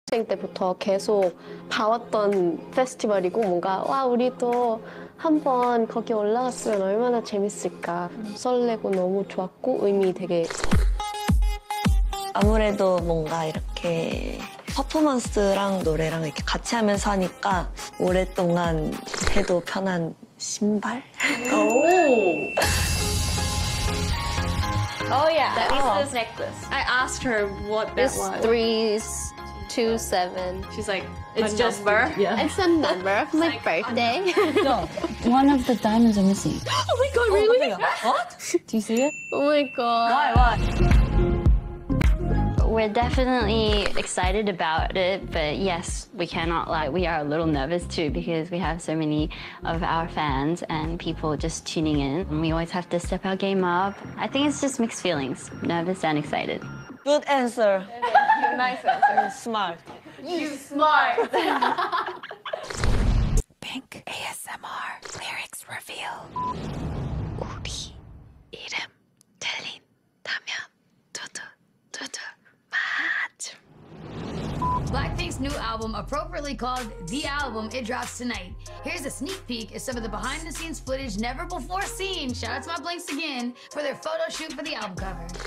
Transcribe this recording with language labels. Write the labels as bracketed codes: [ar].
[ko] 때부터 계속 봐왔던 페스티벌이고 뭔가 와 우리도 한번 거기 올라갔으면 얼마나 재밌을까 설레고 너무 좋았고 의미 되게 아무래도 뭔가 이렇게 퍼포먼스랑 노래랑 이렇게 같이 하면서 하니까 오랫동안 해도 편한 신발. Oh. [en] Oh yeah, that is necklace. I asked her what that was. It's 3-2-7. She's like, it's just number. Yeah. It's a number of my birthday. No. One of the diamonds are missing. Oh my god, really? Oh my god. What? Do you see it? Oh my god. Why? We're definitely excited about it, but yes, we cannot lie. We are a little nervous too because we have so many of our fans and people just tuning in. And we always have to step our game up. I think it's just mixed feelings, nervous and excited. Good answer. Nice answer. Smart. You smart. Pink ASMR lyrics reveal. [ko] 우리 이름 들린다면 두두 두두 맞음. [en] Blackpink's new album, appropriately called The Album, it drops tonight. Here's a sneak peek at some of the behind-the-scenes footage never before seen. Shout out to my blinks again for their photo shoot for the album cover.